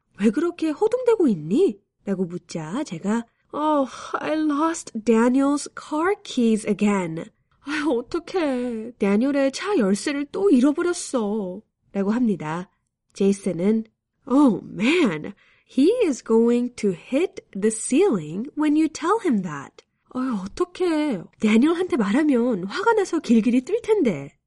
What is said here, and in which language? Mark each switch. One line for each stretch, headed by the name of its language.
Korean: 왜 그렇게 허둥대고 있니? 라고 묻자 제가
English: Oh, I lost Daniel's car keys again.
Korean: 아유, 어떡해. 다니엘의 차 열쇠를 또 잃어버렸어. 라고 합니다. 제이슨은
English: Oh, man. He is going to hit the ceiling when you tell him that.
Korean: 아유, 어떡해. 다니엘한테 말하면 화가 나서 길길이 뜰 텐데.